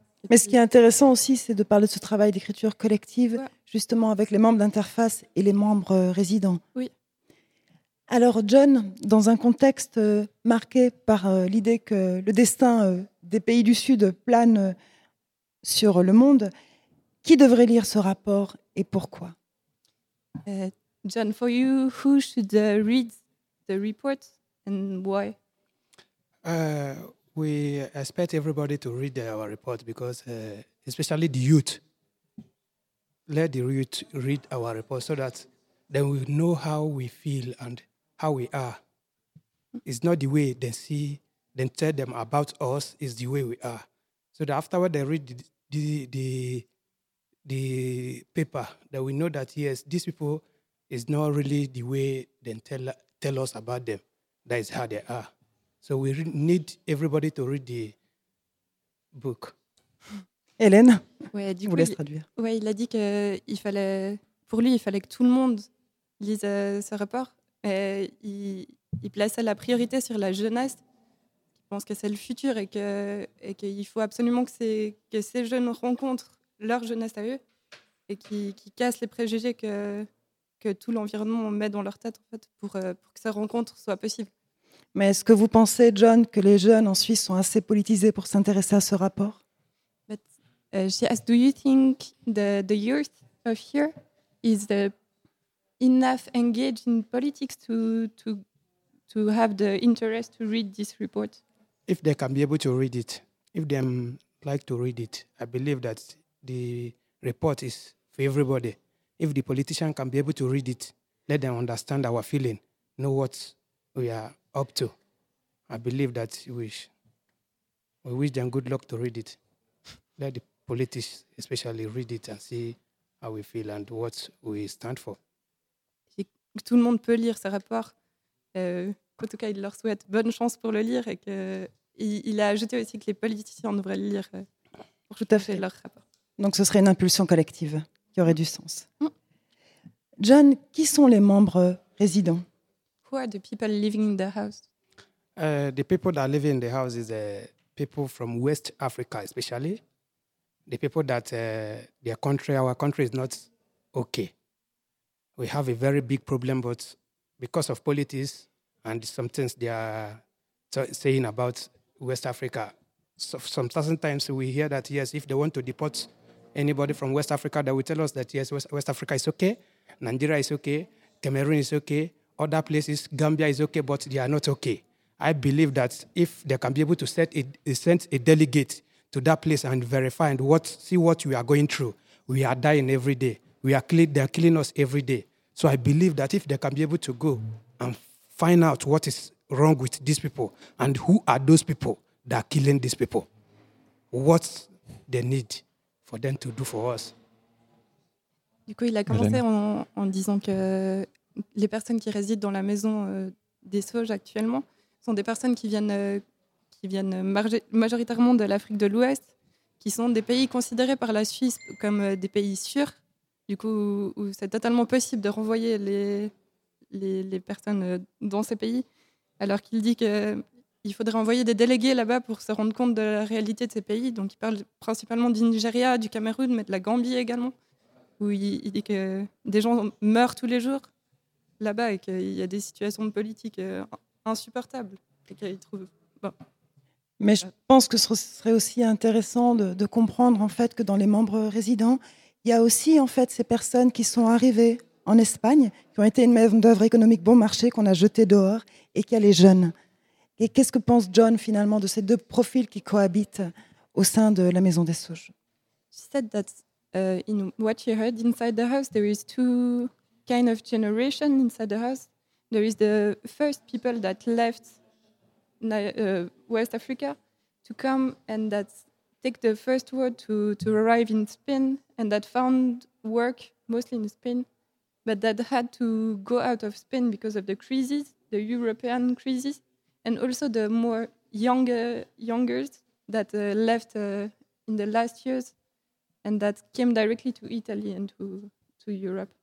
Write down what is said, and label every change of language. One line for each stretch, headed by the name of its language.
French: Mais ce qui est intéressant aussi, c'est de parler de ce travail d'écriture collective, ouais, justement avec les membres d'Interface et les membres résidents. Oui. Alors John, dans un contexte marqué par l'idée que le destin des pays du Sud plane sur le monde, qui devrait lire ce rapport et pourquoi ?
English: John, for you, who should read the report and why ? We expect everybody to read our report because, especially the youth, let the youth read our report so that they will know how we feel and how we are. It's not the way they see, then tell them about us, it's the way we are. So that afterward they read the paper, that we know that, yes, these people is not really the way they tell us about them. That is how they are. So we need everybody to read the book.
French: Hélène, ouais, du coup, vous laisse traduire. Ouais, il a dit que pour lui, il fallait que tout le monde lise ce rapport. Et il plaçait la priorité sur la jeunesse. Je pense que c'est le futur et qu'il faut absolument que ces jeunes rencontrent leur jeunesse à eux et qu'ils cassent les préjugés que tout l'environnement met dans leur tête en fait pour que ces rencontres soient possibles. Mais est-ce que vous pensez, John, que les jeunes en Suisse sont assez politisés pour s'intéresser à ce rapport?
English: But she asked, do you think the youth of here is enough engaged in politics to have the interest to read this report? If they can be able to read it, if they like to read it, I believe that the report is for everybody. If the politician can be able to read it, let them understand our feeling, know what we are up to. I believe that we wish them good luck to read it. Let the politicians especially read it and see how we feel and what we stand for.
French: Tout le monde peut lire ce rapport. qu'en tout cas, il leur souhaite bonne chance pour le lire et qu'il a ajouté aussi que les politiciens devraient le lire pour tout à fait leur rapport. Donc, ce serait une impulsion collective qui aurait du sens. Mmh. John, qui sont les membres résidents?
English: Who are the people living in the house? The people that live in the house is people from West Africa, especially. The people that their country, our country is not okay. We have a very big problem, but because of politics and some things they are saying about West Africa, so some certain times we hear that, yes, if they want to deport anybody from West Africa, they will tell us that, yes, West Africa is okay, Nigeria is okay, Cameroon is okay, other places, Gambia is okay, but they are not okay. I believe that if they can be able to send a delegate to that place and verify and see what we are going through. We are dying every day. They are killing us every day. So I believe that if they can be able to go and find out what is wrong with these people and who are those people that are killing these people, what they need for them to do for us.
French: Du coup, il a commencé en disant que les personnes qui résident dans la maison des Sauges actuellement sont des personnes qui viennent majoritairement de l'Afrique de l'Ouest, qui sont des pays considérés par la Suisse comme des pays sûrs, du coup, où c'est totalement possible de renvoyer les personnes dans ces pays, alors qu'il dit qu'il faudrait envoyer des délégués là-bas pour se rendre compte de la réalité de ces pays. Donc il parle principalement du Nigeria, du Cameroun, mais de la Gambie également, où il dit que des gens meurent tous les jours là-bas et qu'il y a des situations politiques insupportables et qu'il trouve... Bon. Mais je pense que ce serait aussi intéressant de comprendre en fait que dans les membres résidents, il y a aussi en fait ces personnes qui sont arrivées en Espagne, qui ont été une main d'œuvre économique bon marché qu'on a jetée dehors, et qu'il y a les jeunes. Et qu'est-ce que pense John finalement de ces deux profils qui cohabitent au sein de la Maison des Sauges?
English: She said that in what you heard inside the house, there is two kind of generation inside the house. There is the first people that left West Africa to come and that take the first word to arrive in Spain and that found work mostly in Spain, but that had to go out of Spain because of the crisis, the European crisis, and also the more youngers that left in the last years and that came directly to Italy and to Europe.